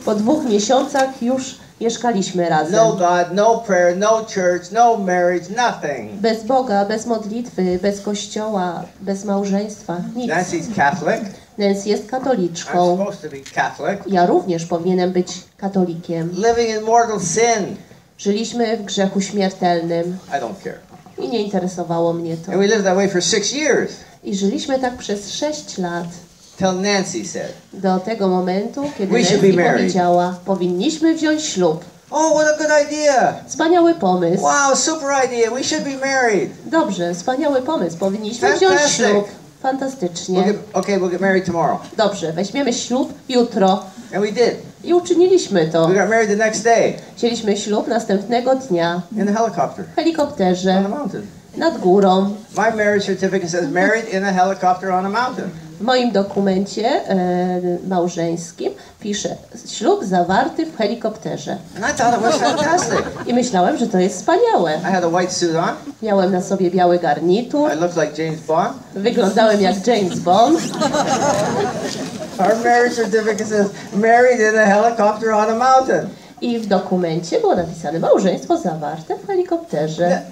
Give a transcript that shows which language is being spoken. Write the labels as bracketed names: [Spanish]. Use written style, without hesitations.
[Polish] Po 2 miesiącach już mieszkaliśmy razem. [English] No God, no prayer, no church, no marriage, nothing. [Polish] Bez Boga, bez modlitwy, bez kościoła, bez małżeństwa, nic. [English] Nancy's Catholic. [Polish] Nancy jest katoliczką. [English] I'm supposed to be Catholic. [Polish] Ja również powinienem być katolikiem. [English] Living in mortal sin. [Polish] Żyliśmy w grzechu śmiertelnym. [English] I don't care. [Polish] I nie interesowało mnie to. [English] And we lived that way for 6 years. [Polish] I żyliśmy tak przez 6 lat. [English] Till Nancy said. [Polish] Do tego momentu, kiedy Nancy powiedziała, powinniśmy wziąć ślub. [English] Oh, what a good idea. [Polish] Wspaniały pomysł. [English] Wow, super idea. We should be married. [Polish] Dobrze, wspaniały pomysł. Powinniśmy wziąć ślub. Fantastycznie. [English] Okay, we'll get married tomorrow. [Polish] Dobrze, weźmiemy ślub jutro. [English] And we did. [Polish] I uczyniliśmy to. [English] We got married the next day. [Polish] Wzięliśmy ślub następnego dnia. [English] In the helicopter. [Polish] W helikopterze. [English] On a mountain. [Polish] Nad górą. [English] My marriage certificate says married in a helicopter on a mountain. [Polish] W moim dokumencie małżeńskim pisze ślub zawarty w helikopterze. [English] And I thought it was fantastic. [Polish] I myślałem, że to jest wspaniałe. [English] I had a white suit on. [Polish] Miałem na sobie biały garnitur. [English] I looked like James Bond. [Polish] Wyglądałem jak James Bond. [English] Our marriage certificate says married in a helicopter on a mountain. [Polish] I w dokumencie było napisane małżeństwo zawarte w helikopterze.